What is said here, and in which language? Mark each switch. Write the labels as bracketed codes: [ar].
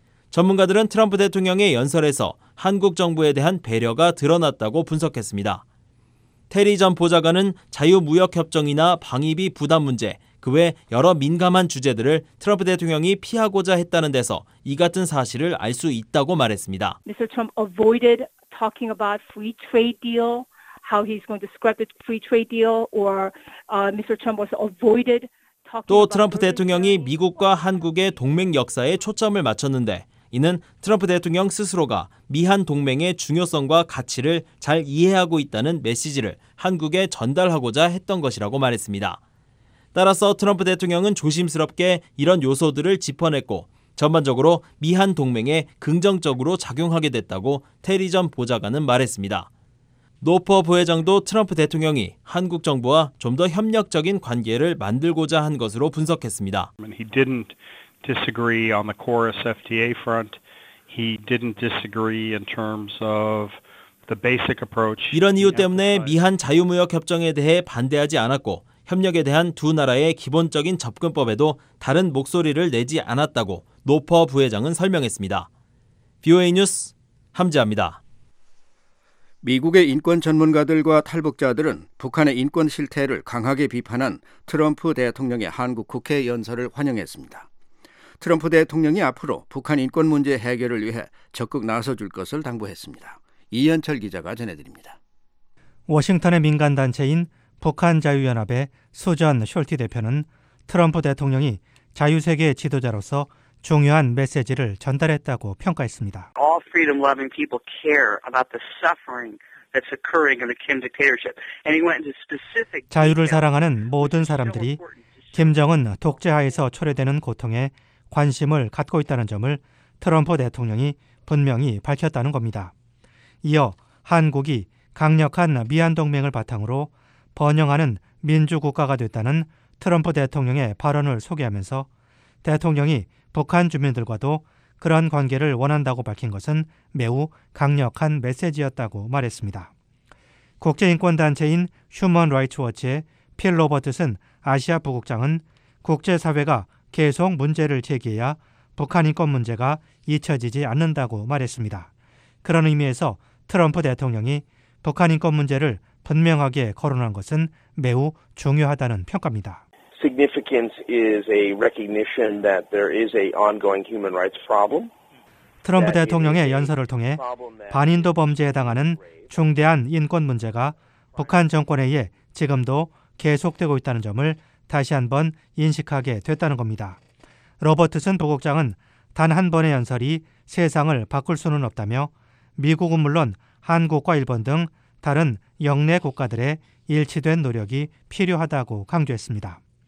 [ko] 전문가들은 트럼프 대통령의 연설에서 한국 정부에 대한 배려가 드러났다고 분석했습니다. 테리 전 보좌관은 자유무역협정이나 방위비 부담 문제, 그 외 여러 민감한 주제들을 트럼프 대통령이 피하고자 했다는 데서 이 같은 사실을 알 수 있다고 말했습니다. [en] Mr. Trump avoided talking about free trade deal, how he's going to scrap the free trade deal, or Mr. Trump was avoided talking about. [ko] 또 트럼프 대통령이 미국과 한국의 동맹 역사에 초점을 맞췄는데 이는 트럼프 대통령 스스로가 미한 동맹의 중요성과 가치를 잘 이해하고 있다는 메시지를 한국에 전달하고자 했던 것이라고 말했습니다. 따라서 트럼프 대통령은 조심스럽게 이런 요소들을 짚어냈고 전반적으로 미한 동맹에 긍정적으로 작용하게 됐다고 테리 전 보좌관은 말했습니다. 노퍼 부회장도 트럼프 대통령이 한국 정부와 좀 더 협력적인 관계를 만들고자 한 것으로 분석했습니다. [en] He didn't disagree on the chorus FDA front. He didn't disagree in terms of the basic approach. [ko] 이런 이유 때문에 미한 자유무역 협정에 대해 반대하지 않았고 협력에 대한 두 나라의 기본적인 접근법에도 다른 목소리를 내지 않았다고 노퍼 부회장은 설명했습니다. VOA 뉴스 함지아입니다. 미국의 인권 전문가들과 탈북자들은 북한의 인권 실태를 강하게 비판한 트럼프 대통령의 한국 국회 연설을 환영했습니다. 트럼프 대통령이 앞으로 북한 인권 문제 해결을 위해 적극 나서줄 것을 당부했습니다. 이현철 기자가 전해드립니다. 워싱턴의 민간단체인 북한자유연합의 수전 숄티 대표는 트럼프 대통령이 자유세계의 지도자로서 중요한 메시지를 전달했다고 평가했습니다. [en] All freedom-loving people care about the suffering that's occurring in the Kim dictatorship. And he went into specific. [ko] 자유를 사랑하는 모든 사람들이 김정은 독재하에서 초래되는 고통에 관심을 갖고 있다는 점을 트럼프 대통령이 분명히 밝혔다는 겁니다. 이어 한국이 강력한 미한 동맹을 바탕으로 번영하는 민주국가가 됐다는 트럼프 대통령의 발언을 소개하면서 대통령이 북한 주민들과도 그런 관계를 원한다고 밝힌 것은 매우 강력한 메시지였다고 말했습니다. 국제인권단체인 휴먼 라이츠 워치의 필 로버트슨 아시아 부국장은 국제사회가 계속 문제를 제기해야 북한 인권 문제가 잊혀지지 않는다고 말했습니다. 그런 의미에서 트럼프 대통령이 북한 인권 문제를 분명하게 거론한 것은 매우 중요하다는 평가입니다. [en] Significance is a recognition that there is a ongoing human rights problem. [ko] 트럼프 대통령의 연설을 통해 반인도 범죄에 당하는 중대한 인권 문제가 북한 정권에 의해 지금도 계속되고 있다는 점을 다시 한번 인식하게 됐다는 겁니다. 로버트슨 부국장은 단 한 번의 연설이 세상을 바꿀 수는 없다며 미국은 물론 한국과 일본 등 다른 역내 국가들의 일치된 노력이 필요하다고 강조했습니다.